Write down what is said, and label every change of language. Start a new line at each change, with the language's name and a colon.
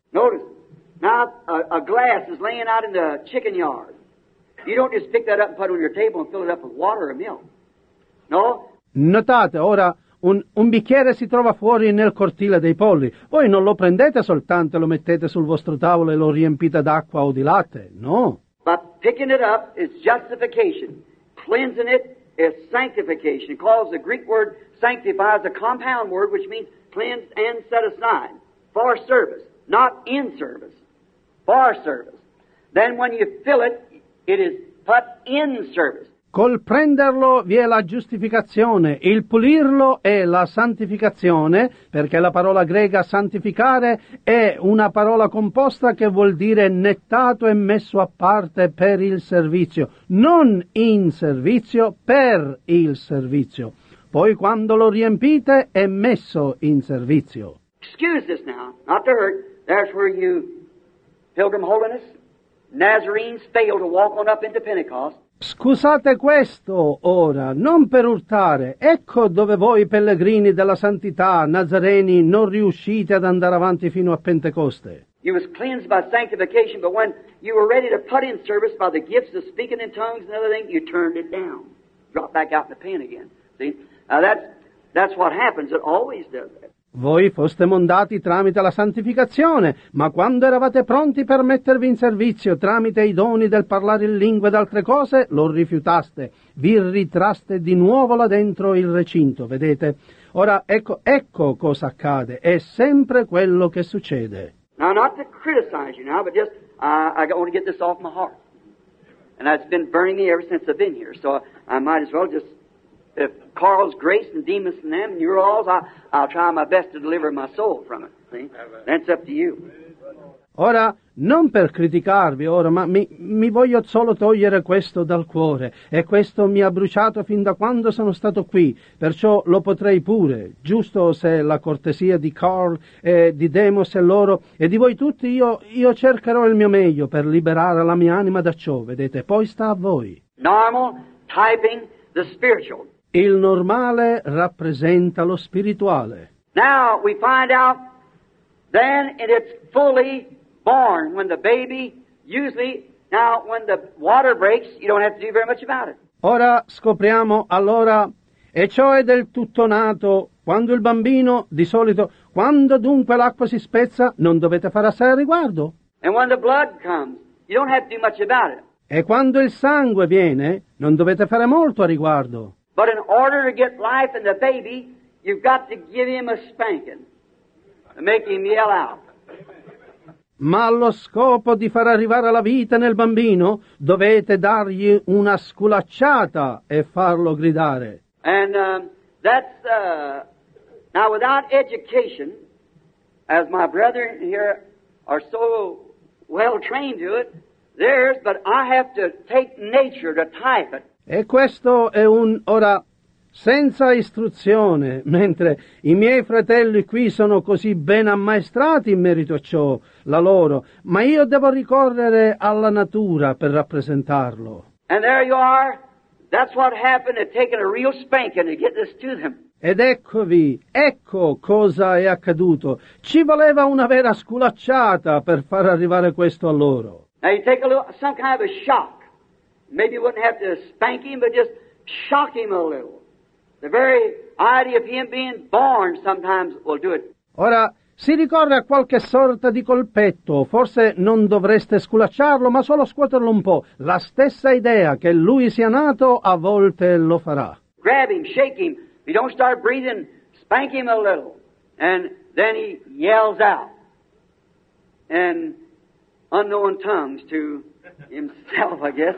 English: Notice, now a glass is laying out in the chicken yard. You don't just pick that up and put it on your table and fill it up with water or milk. No?
Italian: Notate, ora, un bicchiere si trova fuori nel cortile dei polli. Voi non lo prendete soltanto e lo mettete sul vostro tavolo e lo riempite d'acqua o di latte. No.
English: But picking it up is justification. Cleansing it is sanctification. Because the Greek word sanctify is a compound word which means cleanse and set aside. For service. Not in service. For service. Then when you fill it, it is put in service.
Italian: Col prenderlo vi è la giustificazione, il pulirlo è la santificazione, perché la parola greca santificare è una parola composta che vuol dire nettato e messo a parte per il servizio, non in servizio, per il servizio. Poi quando lo riempite è messo in servizio.
English: Excuse this now, not to hurt, that's where you, Pilgrim Holiness, Nazarenes fail to walk on up into Pentecost.
Italian: Scusate questo ora, non per urtare. Ecco dove voi pellegrini della santità, Nazareni, non riuscite ad andare avanti fino a Pentecoste.
English: You was cleansed by sanctification, but when you were ready to put in service by the gifts of speaking in tongues and other things, you turned it down. Dropped back out in the pen again. See? Now that's what happens. It always does that.
Italian: Voi foste mondati tramite la santificazione, ma quando eravate pronti per mettervi in servizio tramite i doni del parlare in lingue ed altre cose, lo rifiutaste, vi ritraste di nuovo là dentro il recinto, vedete? Ora, ecco cosa accade, è sempre quello che succede.
English: Now, not to criticize you now, but just, I want to get this off my heart. And it's been burning me ever since I've been here, so I might as well just... If Carl's grace and Demas and them and you're all's, I'll try my best to deliver my soul from it. See? That's up to you.
Italian: Ora, non per criticarvi ora, ma mi voglio solo togliere questo dal cuore. E questo mi ha bruciato fin da quando sono stato qui. Perciò lo potrei pure, giusto se la cortesia di Carl e di Demos e loro e di voi tutti, io cercherò il mio meglio per liberare la mia anima da ciò. Vedete, poi sta a voi.
English: Normal, typing, the spiritual.
Italian: Il normale rappresenta lo spirituale.
English: Now we find out then it is fully born when the baby usually now when the water breaks you don't have to do very much about it.
Italian: Ora scopriamo allora e ciò è del tutto nato quando il bambino di solito quando dunque l'acqua si spezza non dovete fare assai a riguardo.
English: And when the blood comes you don't have to do much about it.
Italian: E quando il sangue viene non dovete fare molto a riguardo.
English: But in order to get life in the baby, you've got to give him a spanking to make him yell out.
Italian: Ma allo scopo di far arrivare la vita nel bambino, dovete dargli una sculacciata e farlo gridare.
English: And that's, now without education, as my brethren here are so well trained to it, theirs, but I have to take nature to type it.
Italian: E questo è un ora senza istruzione, mentre i miei fratelli qui sono così ben ammaestrati in merito a ciò, la loro, ma io devo ricorrere alla natura per rappresentarlo.
English: And there you are. That's what happened to taking a real spanking to get this to them.
Italian: Ed eccovi, ecco cosa è accaduto. Ci voleva una vera sculacciata per far arrivare questo a loro.
English: Now you take a little, some kind of a shock. Maybe you wouldn't have to spank him, but just shock him a little. The very idea of him being born sometimes will do it.
Italian: Ora, si ricorre a qualche sorta di colpetto, forse non dovreste sculacciarlo, ma solo scuoterlo un po'. La stessa idea che lui sia nato a volte lo farà.
English: Grab him, shake him. If he don't start breathing, spank him a little. And then he yells out in unknown tongues to himself, I guess.